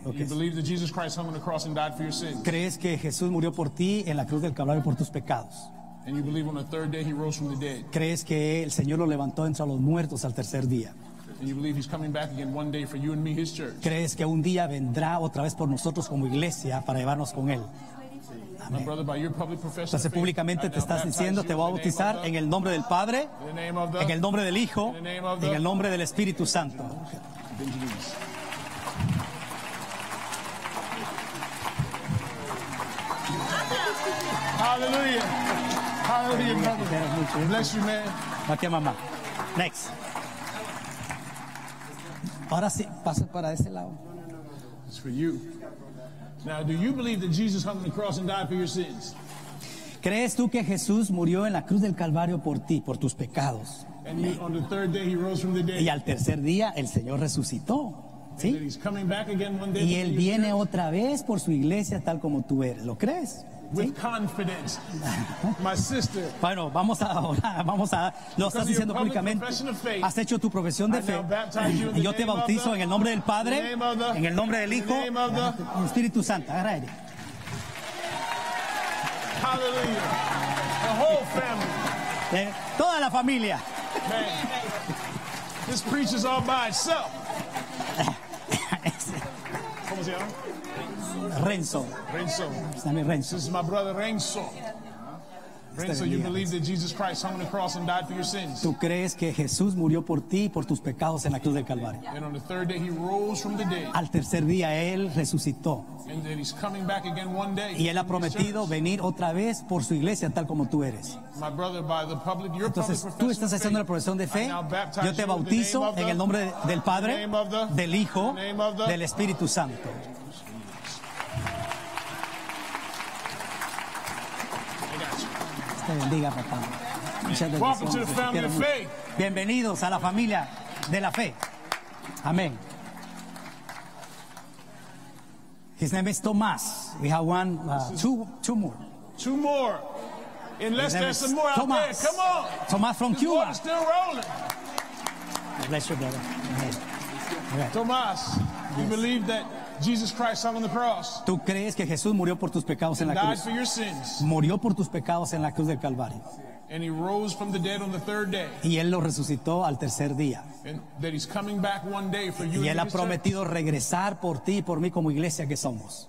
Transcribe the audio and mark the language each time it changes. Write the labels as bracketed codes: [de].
[en] Okay. You believe that Jesus Christ hung on the cross and died for your sins? [es] ¿Crees que Jesús murió por ti en la cruz del Calvario por tus pecados? [en] And you believe on the third day he rose from the dead? [es] ¿Crees que el Señor lo levantó entre los muertos al tercer día? [en] And you believe he's coming back again one day for you and me, his church? [es] ¿Crees que un día vendrá otra vez por nosotros como iglesia para llevarnos con él? [en] My brother, by your public profession, [es] entonces públicamente te estás diciendo, te voy a bautizar en el nombre del Padre, en el nombre del Hijo, en el nombre del Espíritu Santo. Benjamin. [en] Hallelujah. Hallelujah, brother. Bless you, man. Okay, mamá. Next. [es] Ahora sí, pasa para ese lado. [en] It's for you. Now, do you believe that Jesus hung on the cross and died for your sins? [es] ¿Crees tú que Jesús murió en la cruz del Calvario por ti, por tus pecados? [en] And he, on the third day, he rose from the dead. [es] Y al tercer día, el Señor resucitó. ¿Sí? [en] And he's coming back again one day. [es] Y él viene otra vez por su iglesia tal como tú eres. ¿Lo crees? [en] With confidence, my sister. [es] Bueno, vamos a orar, vamos a. Lo estás diciendo públicamente. Has hecho tu profesión de fe. Y yo te bautizo en el nombre del Padre, en el nombre del Hijo, en el Espíritu Santo. Agarra aire. [en] Hallelujah. The whole family. [es] Toda la familia. [en] Man, this preaches all by itself. [es] ¿Cómo se llama? Renzo. [en] This is my brother Renzo. Renzo, you believe that Jesus Christ hung on the cross and died for your sins. [es] ¿Tú crees que Jesús murió por ti y por tus pecados en la cruz del Calvario? [en] And on the third day he rose from the dead. [es] Al tercer día él resucitó. [en] And then he's coming back again one day. [es] Y él ha prometido venir otra vez por su iglesia tal como tú eres. [en] My brother, by the public, your [es] entonces [en] public [es] tú estás haciendo la profesión de fe. Yo te bautizo en el nombre del Padre, del Hijo, del Espíritu Santo. Te bendiga, papá. Muchas gracias. Bienvenidos a la familia de la fe. Amén. [en] His name is Tomás. We have two more. Two more. Unless there's some more Tomás. Out there. Come on. Tomás from this Cuba. Still rolling. Bless you, brother. Amen. Okay. Tomás, yes. You believe that Jesus Christ hung on the cross. [es] ¿Tú crees que Jesús murió por tus pecados en la cruz? [en] Died for your sins. [es] Murió por tus pecados en la cruz del Calvario. [en] And he rose from the dead on the third day. [es] Y él lo resucitó al tercer día. [en] And that he's coming back one day for you. [es] Y él ha prometido regresar por ti y por mí como iglesia que somos.